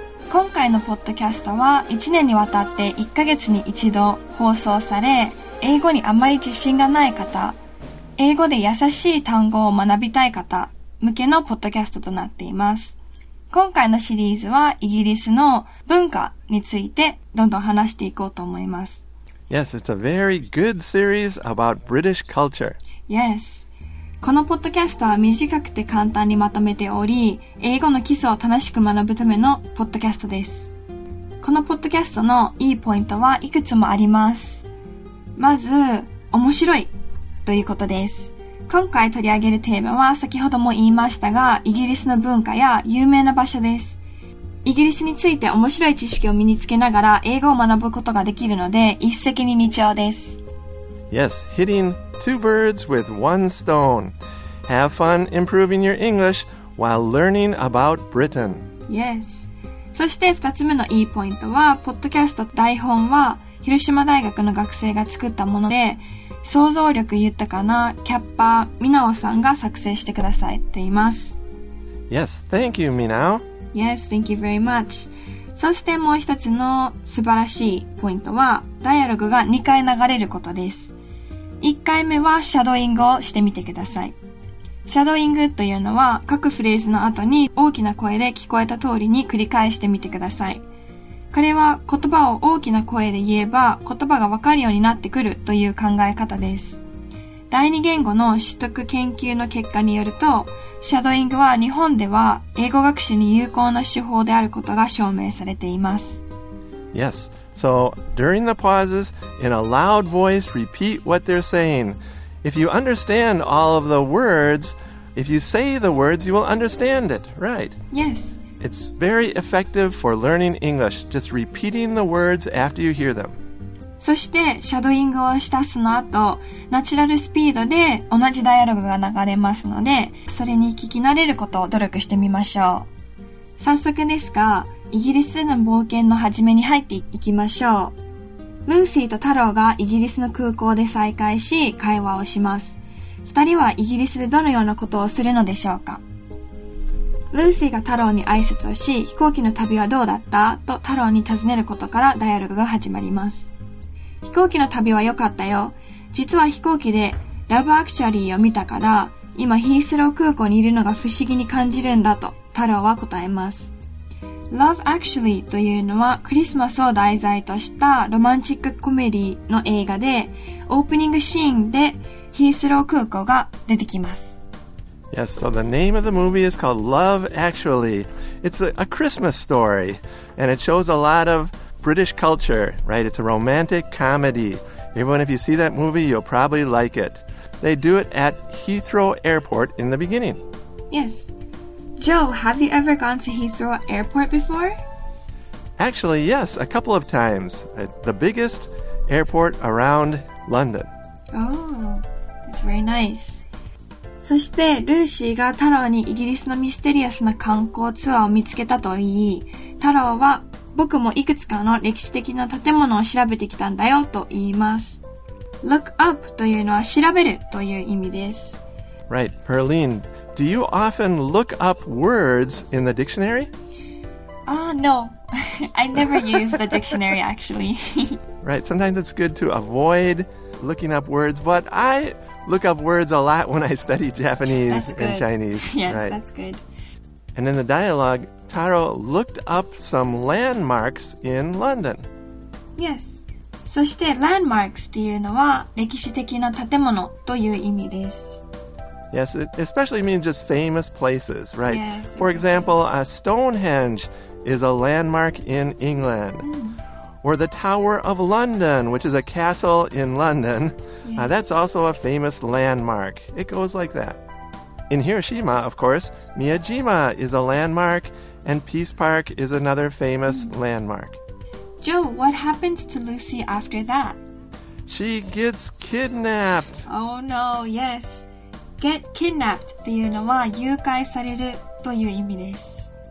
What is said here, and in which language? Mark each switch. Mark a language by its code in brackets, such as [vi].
[ja] 今回のポッドキャストは1年にわたって1ヶ月に一度放送され、英語にあまり自信がない方、英語で優しい単語を学びたい方向けのポッドキャストとなっています。今回のシリーズはイギリスの文化についてどんどん話していこうと思います。 [en] Yes, it's a very good series about British culture. Yes. [ja] このポッドキャストは短くて簡単にまとめており、英語の基礎を楽しく学ぶためのポッドキャストです。このポッドキャストのいいポイントはいくつもあります。まず面白いということです。今回取り上げるテーマは先ほども言いましたが、イギリスの文化や有名な場所です。イギリスについて面白い知識を身につけながら英語を学ぶことができるので、一石二鳥です。 [en] Yes, hitting two birds with one stone. Have fun improving your English while learning about Britain. Yes. [ja] そして二つ目のいいポイントは、ポッドキャスト台本は広島大学の学生が作ったもので、想像力豊かなキャッパー、ミナオさんが作成してくださっています。 [en] Yes, thank you, ミナオ. Yes, thank you very much. [ja] そしてもう一つの素晴らしいポイントは、ダイアログが2回流れることです。 1回目はシャドーイングをしてみてください。シャドーイングというのは、各フレーズの後に大きな声で聞こえた通りに繰り返してみてください。これは言葉を大きな声で言えば言葉がわかるようになってくるという考え方です。第二言語の取得研究の結果によると、シャドーイングは日本では英語学習に有効な手法であることが証明されています。 [en] Yes, so during the pauses, in a loud voice, repeat what they're saying. If you understand all of the words, if you say the words, you will understand it, right? Yes. It's very effective for learning English, just repeating the words after you hear them. [ja] そしてシャドーイングをしたその後、ナチュラルスピードで同じダイアログが流れますので、それに聞き慣れることを努力してみましょう。早速ですが、イギリスでの冒険の始めに入っていきましょう。ルーシーとタローがイギリスの空港で再会し会話をします。二人はイギリスでどのようなことをするのでしょうか。ルーシーがタローに挨拶をし、飛行機の旅はどうだったとタローに尋ねることからダイアログが始まります。飛行機の旅は良かったよ。実は飛行機でラブアクチュアリーを見たから、今ヒースロー空港にいるのが不思議に感じるんだとタローは答えます。 Love Actually というのはクリスマスを題材としたロマンチックコメディの映画で、オープニングシーンでヒースロー空港が出てきます。 [en] Yes, so the name of the movie is called Love Actually. It's a Christmas story and it shows a lot ofBritish culture, right? It's a romantic comedy. Everyone, if you see that movie, you'll probably like it. They do it at Heathrow Airport in the beginning. Yes. Joe, have you ever gone to Heathrow Airport before? Actually, yes, a couple of times. The biggest airport around London. Oh, that's very nice. [ja] そしてルーシーがタローにイギリスのミステリアスな観光ツアーを見つけたと言い、タローは僕もいくつかの歴史的な建物を調べてきたんだよと言います。 Look up というのは調べるという意味です。 [en] Right, Perlene, do you often look up words in the dictionary? No. I never use the dictionary, actually. Right, sometimes it's good to avoid looking up words, but I look up words a lot when I study Japanese and Chinese. Yes, right. That's good. And in the dialogue,Taro looked up some landmarks in London. Yes. [ja] そして landmarks っていうのは歴史的な建物という意味です。 [en] Yes, it especially means just famous places, right? Yes. For example, a Stonehenge is a landmark in England. Mm. Or the Tower of London, which is a castle in London. Yes. That's also a famous landmark. It goes like that. In Hiroshima, of course, Miyajima is a landmark.And Peace Park is another famous landmark. Joe, what happens to Lucy after that? She gets kidnapped. Oh no, yes. [ja] Get kidnapped っていうのは誘拐されるという意味です。